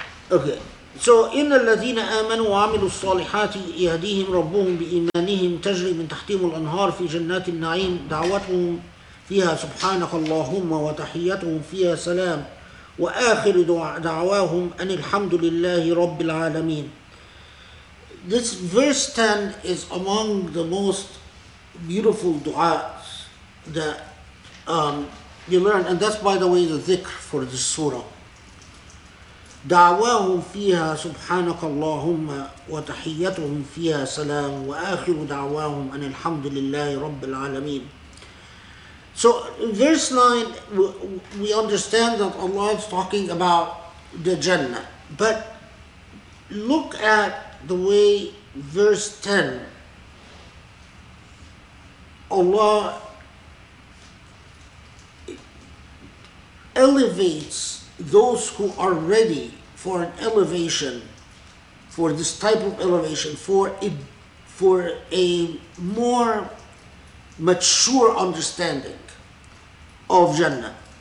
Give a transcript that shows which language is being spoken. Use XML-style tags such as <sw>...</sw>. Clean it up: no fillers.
<en>Okay, so</en> <ar>إن الذين آمنوا وعملوا الصالحات يهديهم ربهم بإيمانهم تجري من تحتهم الأنهار في جنات النعيم دعوتهم فيها سبحانك اللهم وتحيتهم فيها سلام وآخر دعواهم أن الحمد لله رب العالمين.</ar> <en>This verse 10 is among the most beautiful du'as that you learn, and that's by the way the dhikr for this surah.</en> <ar>دعواهم فيها سبحانك اللهم وتحيتهم فيها سلام وآخر دعواهم أن الحمد لله رب العالمين.</ar> <en>So in verse 9, we understand that Allah is talking about the Jannah. But look at the way verse 10, Allah elevates those who are ready for an elevation, for this type of elevation, for a more mature understanding of Jannah.</en>